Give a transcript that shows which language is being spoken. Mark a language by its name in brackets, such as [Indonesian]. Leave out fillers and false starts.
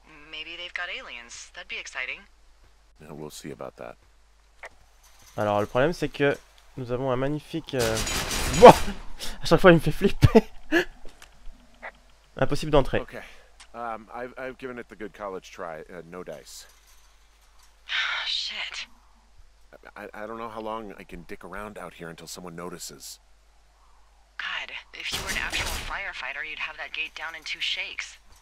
[English] Maybe they've got aliens. That'd be exciting. Yeah, we'll see about that. [French] Alors, le problème, c'est que nous avons un magnifique... Bon, à chaque fois, il me fait flipper. Impossible d'entrer. [English] Okay. I've given it the good college try. No dice. Shit. I don't know how long I can dick around out here until someone notices. God, if you were an actual firefighter, you'd have that gate down in two shakes.